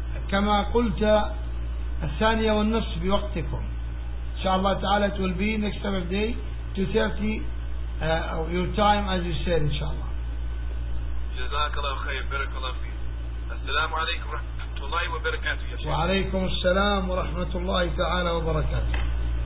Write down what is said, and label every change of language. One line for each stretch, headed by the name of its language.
Arabic: كما قلت الثانية والنصف بوقتكم إن شاء الله تعالى.
English: It will be next Saturday 2:30 your time as you said
Arabic: إن شاء الله. جزاك الله خير بارك الله فيك. السلام عليكم ورحمة الله وبركاته. وعليكم السلام ورحمة الله تعالى وبركاته.